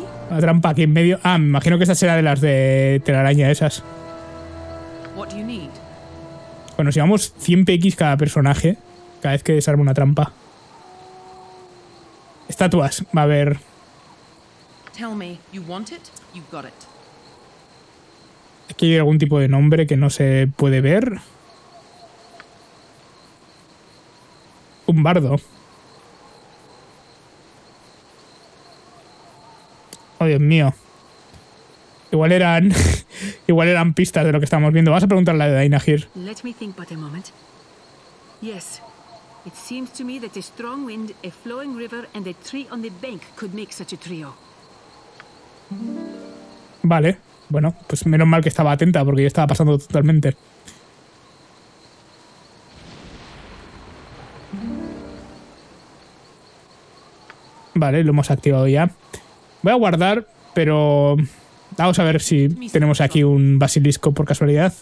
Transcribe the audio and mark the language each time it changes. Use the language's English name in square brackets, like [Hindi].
[Spanish] Una trampa aquí en medio. Ah, me imagino que esta será de las de telaraña esas. [English] What do you need? [Spanish] Bueno, si vamos 100 PX cada personaje, cada vez que desarme una trampa. Estatuas, va a haber. [English] Tell me, you want it, you got it. [Spanish] Aquí hay algún tipo de nombre que no se puede ver. Un bardo. Oh, Dios mío. Igual eran pistas de lo que estamos viendo. Vas a preguntarle a Dainahir. [English] Let me think but a moment. Yes. It seems to me that a strong wind, a flowing river and a tree on the bank could make such a trio. [Spanish] Vale. Bueno, pues menos mal que estaba atenta porque yo estaba pasando totalmente. Vale, lo hemos activado ya. Voy a guardar, pero vamos a ver si tenemos aquí un basilisco por casualidad.